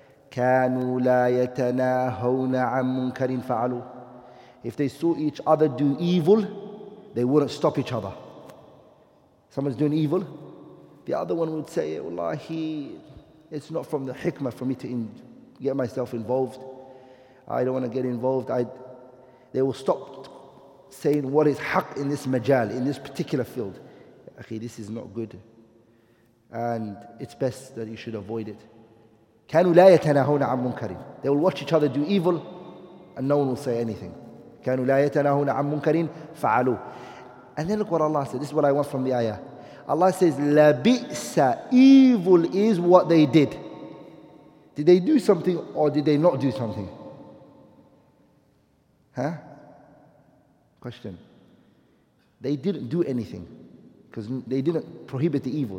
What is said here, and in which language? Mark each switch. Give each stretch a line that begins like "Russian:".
Arabic: كانوا لا يتناهون عن منكر فعلوا.
English: If they saw each other do evil, they wouldn't stop each other. Someone's doing evil, the other one would say, wallahi, it's not from the hikmah for me to get myself involved. I don't want to get involved. They will stop saying what is haq in this majal, in this particular field. Akhi, this is not good. And it's best that you should avoid it.
Arabic: كانوا لا يتناهون عن منكر.
English: They will watch each other do evil and no one will say anything.
Arabic: كانوا لا يتناهون عن منكر فعلوا.
English: And then look what Allah said. This is what I want from the ayah. Allah says, لبئس, evil is what they did. Did they do something or did they not do something? Huh? Question. They didn't do anything because they didn't prohibit the evil.